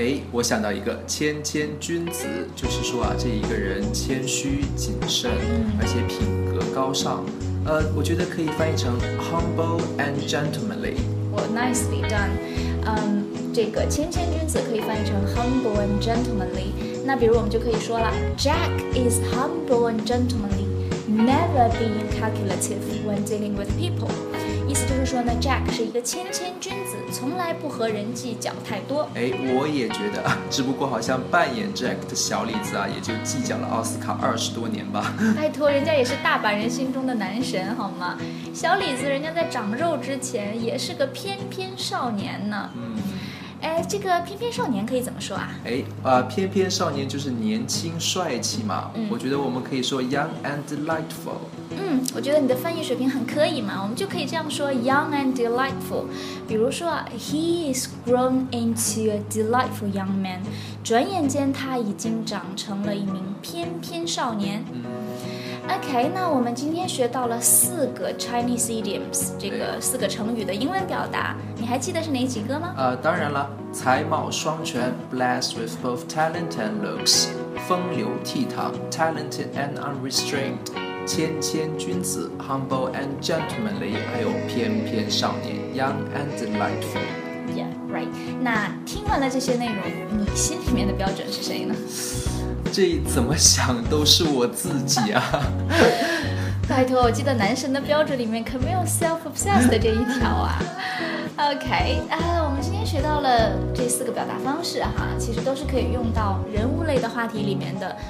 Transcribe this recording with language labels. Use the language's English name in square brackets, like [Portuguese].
[Chinese] 我想到一个谦谦君子，就是说这一个人谦虚谨慎而且品格高尚。我觉得可以翻译成 humble and gentlemanly。 [English] Well, nicely done。 [Chinese] 这个谦谦君子可以翻译成 humble and gentlemanly。 [English] 那比如我们就可以说了， Jack is humble and gentlemanly, never being calculative when dealing with people。 [Chinese] 意思就是说呢， Jack 是一个谦谦君子，从来不和人计较太多。我也觉得，只不过好像扮演 Jack 的小李子啊也就计较了奥斯卡20多年吧。拜托，人家也是大把人心中的男神好吗？小李子人家在长肉之前也是个翩翩少年呢。这个翩翩少年可以怎么说啊？翩翩少年就是年轻帅气嘛。我觉得我们可以说 young and delightful。我觉得你的翻译水平很可以嘛，我们就可以这样说 young and delightful。比如说 he is grown into a delightful young man，转眼间他已经长成了一名翩翩少年。 OK， 那我们今天学到了四个 Chinese idioms，这个四个成语的英文表达，你还记得是哪几个吗？当然了，才貌双全 blessed with both talent and looks，风流倜傥 talented and unrestrained，谦谦君子 humble and gentlemanly，还有翩翩少年 [English] young and delightful. Yeah, right. [Chinese] 那听完了这些内容，你心里面的标准是谁呢？这怎么想都是我自己啊。拜托，我记得男神的标准里面可没有 self-obsessed 的这一条啊。 OK， 我们今天学到了这四个表达方式哈，其实都是可以用到人物类的话题里面的。